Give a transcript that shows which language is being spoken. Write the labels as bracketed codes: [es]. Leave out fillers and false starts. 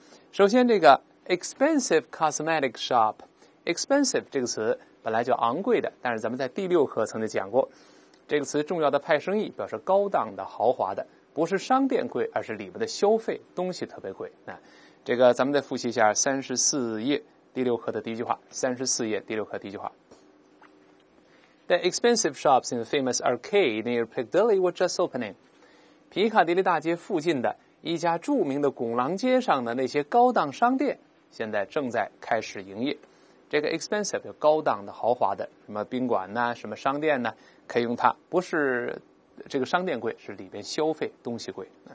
[zh] 首先这个 [en] expensive cosmetic shop， [zh] expensive 这个词本来就昂贵的，但是咱们在第六课曾经讲过，这个词重要的派生意表示高档的豪华的，不是商店贵，而是里面的消费东西特别贵。这个咱们再复习一下34页第六课的第一句话。 [en] The expensive shops in the famous arcade near Piccadilly were just opening。 [zh] 皮卡迪利大街附近的一家著名的拱廊街上的那些高档商店现在正在开始营业。这个 expensive 有高档的豪华的，什么宾馆呢，什么商店呢，可以用它，不是这个商店贵，是里边消费东西贵。